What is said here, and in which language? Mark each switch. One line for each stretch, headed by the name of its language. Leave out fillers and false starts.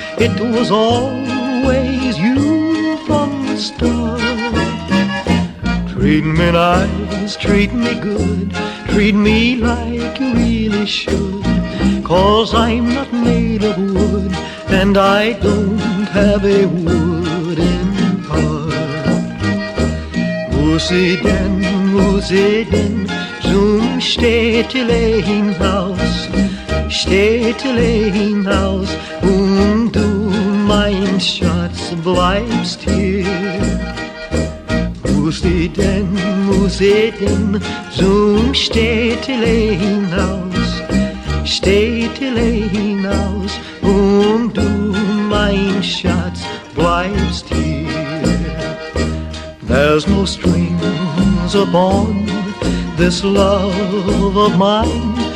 English: It was always you from the start. Treat me nice, treat me good, treat me like you really should. Cause I'm not made of wood, and I don't have a wooden heart.
German: Muss ich denn, muss ich denn zum Städtelehinhaus, Städtelehinhaus, und du mein Schatz bleibst hier. Muss ich denn zum Städtelehinhaus, Städtelehinhaus, und du mein Schatz bleibst hier.
English: There's no strings upon this love of mine.